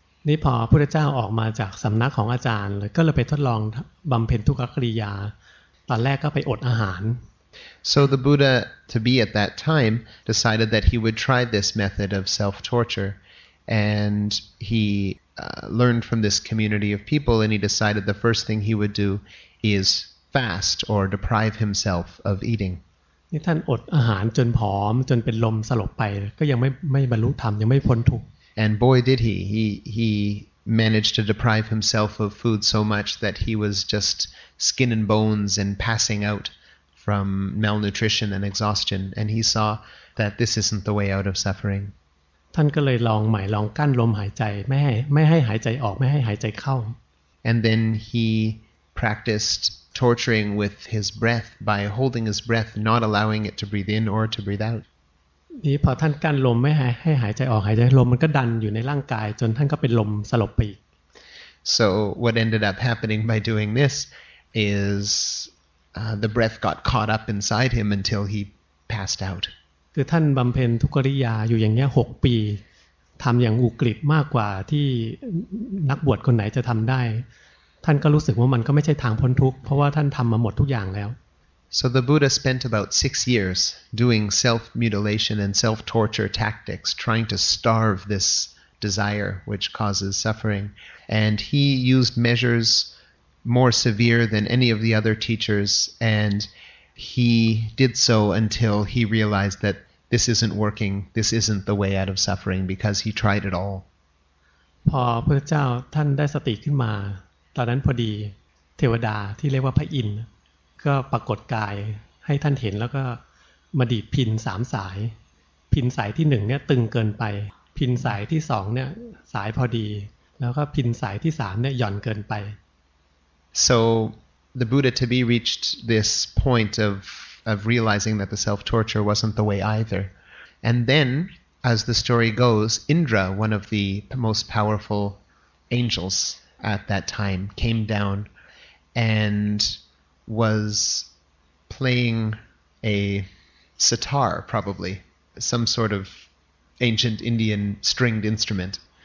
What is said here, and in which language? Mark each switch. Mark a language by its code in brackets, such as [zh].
[th] นี่พอพระพุทธเจ้าออกมาจากสำนักของอาจารย์เลยก็เลยไปทดลองบำเพ็ญทุกขกิริยาตอนแรกก็ไปอดอาหาร [en] So the Buddha, to be at that time, decided that he would try this method of self-torture. And he learned from this community of people, and he decided the first thing he would do is fast or deprive himself of eating. [th] นี่ท่านอดอาหารจนผอมจนเป็นลมสลบไปก็ยังไม่บรรลุธรรมยังไม่พ้นทุกข์ [en] And boy, did he! He managed to deprive himself of food so much that he was just skin and bones and passing out from malnutrition and exhaustion. And he saw that this isn't the way out of suffering. [th] ท่านก็เลยลองใหม่ลองกั้นลมหายใจไม่ให้หายใจออกไม่ให้หายใจเข้า [en] And then he practiced torturing with his breath by holding his breath not allowing it to breathe in or to breathe out [th] นี่พอท่านกั้นลมไม่ให้หายใจออกหายใจลมมันก็ดันอยู่ในร่างกายจนท่านก็เป็นลมสลบไปอีก [en] So what ended up happening by doing this is the breath got caught up inside him until he passed out [th] คือท่านบำเพ็ญทุกขกิริยาอยู่อย่างเงี้ย6ปีทำอย่างอุกฤษมากกว่าที่นักบวชคนไหนจะทำได้ท่านก็รู้สึกว่ามันก็ไม่ใช่ทางพ้นทุกข์เพราะว่าท่านทำมาหมดทุกอย่างแล้ว [en] So the Buddha spent about 6 years doing self-mutilation and self-torture tactics trying to starve this desire which causes suffering and he used measures more severe than any of the other teachers andHe did so until he realized that this isn't working. This isn't the way out of suffering because he tried it all. [th] พอพระเจ้าท่านได้สติขึ้นมาตอนนั้นพอดีเทวดาที่เรียกว่าพระอินทร์ก็ปรากฏกายให้ท่านเห็นแล้วก็มาดีดพินสามสายพินสายที่หนึ่งเนี่ยตึงเกินไปพินสายที่สองเนี่ยสายพอดีแล้วก็พินสายที่สามเนี่ยหย่อนเกินไป [en] SoThe Buddha to be reached this point of realizing that the self-torture wasn't the way either. And then, as the story goes, Indra, one of the most powerful angels at that time, came down and was playing a sitar, probably, some sort of ancient Indian stringed instrument.